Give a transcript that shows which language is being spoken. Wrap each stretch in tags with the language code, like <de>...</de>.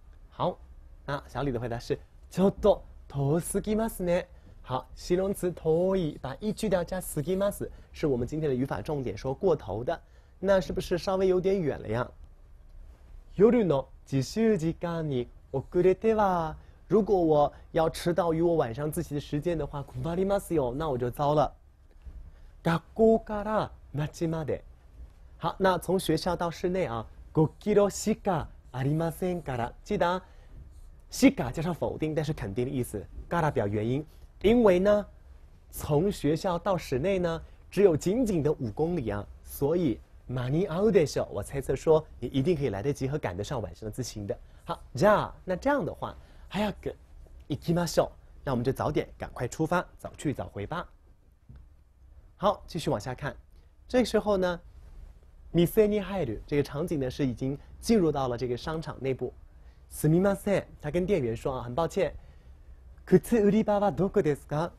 <zh>好，那小李的回答是</zh> <ja>ちょっと遠すぎますね。</ja> <zh>好，形容词遠い，把一句掉加すぎます，是我们今天的语法重点，说过头的。那是不是稍微有点远了呀？</zh> <ja>夜の自習時間に遅れては、</ja> <zh>如果我要迟到于我晚上自习的时间的话、</zh> <ja>困りますよ、</ja> <zh>那我就糟了。</zh> <ja>学校から町まで。</ja> <zh>好，那从学校到室内啊、</zh> <ja>5キロしかありませんから。</ja> <zh>记得、しか加上否定，但是肯定的意思。から表原因，因为呢，从学校到室内呢，只有仅仅的5公里啊，所以。</zh> <ja>マニアウデショ，</ja> <zh>我猜测说你一定可以来得及和赶得上晚上的自行的。好，じゃあ，那这样的话，</zh> <ja>早く行きましょう，</ja> <zh>那我们就早点赶快出发，早去早回吧。好，继续往下看。这时候呢，</zh> <ja>店に入る，</ja> <zh>这个场景呢是已经进入到了这个商场内部。</zh> <ja>すみません，</ja> <zh>他跟店员说啊，很抱歉。</zh> <ja>靴売り場はどこですか？</ja>